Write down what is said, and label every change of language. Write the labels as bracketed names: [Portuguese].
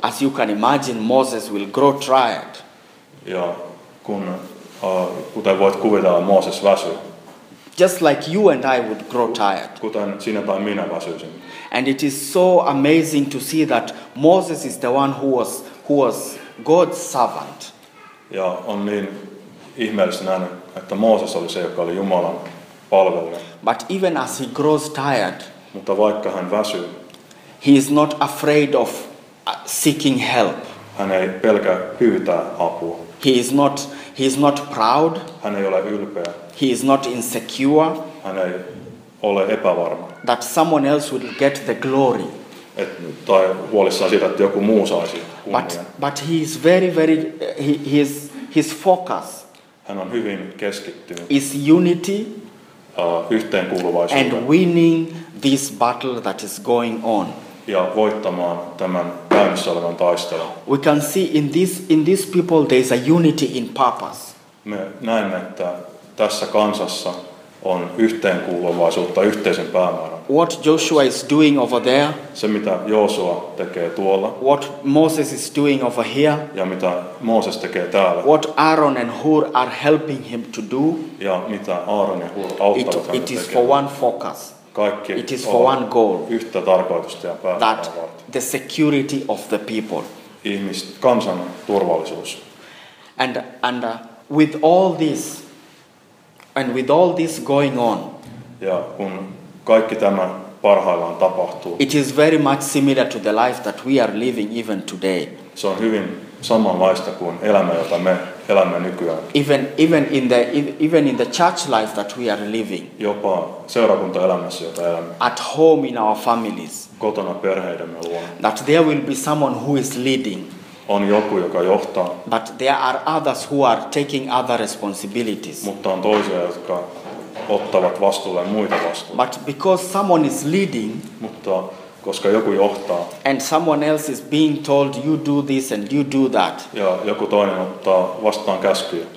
[English] as you can imagine, Moses will grow tired. [Finnish] Ja kun, kuten voit kuvitella, Mooses väsyy. [English] Just like you and I would grow tired. [Finnish] Kuten sinä tai minä väsyisin. [English] And it is so amazing to see that Moses is the one who was God's servant. [Finnish] Ja on niin ihmeellistä nähdä, että Mooses oli se, joka oli Jumalan palvelija. [English] But even as he grows tired, [Finnish] mutta vaikka hän väsyy, [English] he is not afraid of seeking help. [Finnish] Hän ei pelkää pyytää apua. [English] He is not proud. [Finnish] Hän ei ole ylpeä. [English] He is not insecure. [Finnish] Hän ei ole epävarma. [English] That someone else will get the glory. [Finnish] Tai huolissaan siitä, että joku muu saisi kunnian. [English] But he is very, very, he is, his focus. [Finnish] Hän on hyvin keskittynyt. [English] Is unity [Finnish] yhteenkuuluvaisuuteen. [English] And winning this battle that is going on. [Finnish] Ja voittamaan tämän käynnissä olevan taistelun. [English] We can see in this people there is a unity in purpose. [Finnish] Me näemme, että tässä kansassa on yhteenkuuluvaisuutta yhteisen päämäärän. [English] What Joshua is doing over there? [Finnish] Se mitä Joshua tekee tuolla. [English] What Moses is doing over here? [Finnish] Ja mitä Mooses tekee täällä. [English] What Aaron and Hur are helping him to do? [Finnish] Ja mitä Aaron ja Hur auttavat häntä tekemään. [English] It is for one focus. [Finnish] Kaikki [English] it is for one goal. [Finnish] Yhtä tarkoitusta ja päämäärää. [English] That the security of the people. [Finnish] Kansan turvallisuus. [English] And with all this and with all this going on. [Finnish] Ja kun kaikki tämä parhaillaan tapahtuu. [English] It is very much similar to the life that we are living even today. [Finnish] Se on hyvin samanlaista kuin elämä, jota me elämme nykyään. [English] Even in the church life that we are living. [Finnish] Jopa seurakuntaelämässä, jota elämme. [English] At home in our families. [Finnish] Kotona perheidemme luona. [English] That there will be someone who is leading. [Finnish] On joku, joka johtaa. [English] But there are others who are taking other responsibilities. [Finnish] Mutta on toisia, jotka ottavat vastuulle muita vastuulle. [English] But because someone is leading, [Finnish] mutta koska joku johtaa, [English] and someone else is being told you do this and you do that, [Finnish] ja joku toinen ottaa vastaan käskyjä.